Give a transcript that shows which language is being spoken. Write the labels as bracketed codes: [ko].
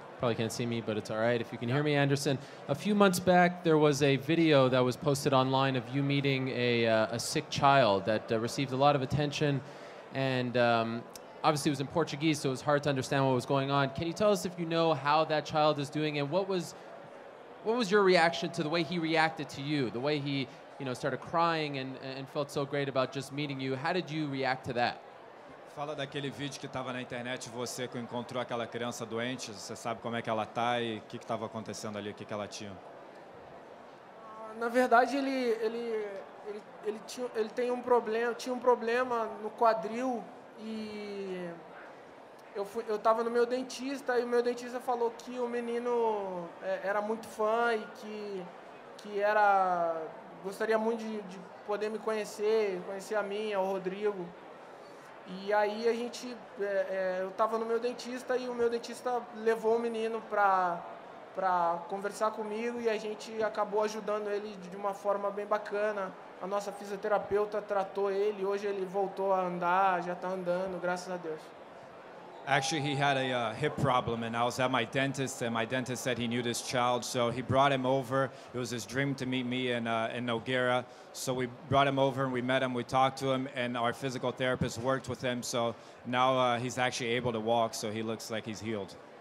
[en] Probably can't see me, but it's all right if you can hear me, Anderson. A few months back, there was a video that was posted online of you meeting a sick child that received a lot of attention, and... obviously, it was in Portuguese, so it was hard to understand what was going on. Can you tell us if you know how that child is doing, and what was your reaction to the way he reacted to you, the way he, you know, started crying and felt so great about just meeting you? How did you react to that? [pt] Fala daquele vídeo que estava na internet, você que encontrou aquela criança doente, você sabe como é que ela está e o que estava acontecendo ali, o que ela tinha? Na verdade, ele tinha um problema no quadril. E eu estava no meu dentista e o meu dentista falou que o menino era muito fã e que gostaria muito de poder me conhecer a mim, ao Rodrigo. E aí a gente, eu estava no meu dentista e o meu dentista levou o menino para conversar comigo e a gente acabou ajudando ele de uma forma bem bacana. A nossa fisioterapeuta tratou ele, hoje ele voltou a andar, já tá andando, graças a Deus. [en] Actually, he had a hip problem, and I was at my dentist, and my dentist said he knew this child, so he brought him over. It was his dream to meet me in Nogueira, so we brought him over, and we met him, we talked to him, and our physical therapist worked with him, so now he's actually able to walk, so he looks like he's healed.